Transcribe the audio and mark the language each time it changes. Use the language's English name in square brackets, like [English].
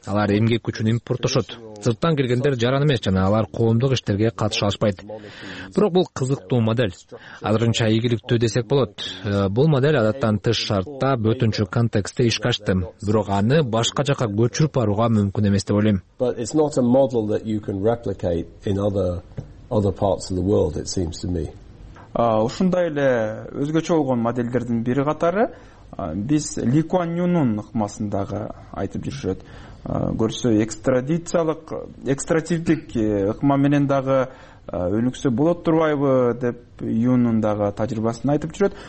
[Kyrgyz] Алар эмгек күчүн импорттошот. Сырттан келгендер жаран эмес жана алар коомдук иштерге катыша алышпайт. Бирок бул кызыктуу модель. Азырынча ийгиликтүү десек болот. Бул модель адаттан тыш шартта бөтүнчү контекстте ишке ашты. Бирок аны башка жака көчүрүп барууга мүмкүн эмес деп ойлойм. [English] But it's not a model that you can replicate in other parts of the world, it seems to me. [Kyrgyz] Ушундай эле өзгөчө болгон моделдердин бири катары биз Ли Куан Юнун ыкмасындагы айтып жүрүшөт. Көрсө экстрадициялык экстративдик ыкма менен дагы өнүксө болот турбайбы деп Юнун дагы тажрыйбасын айтып жүрөт.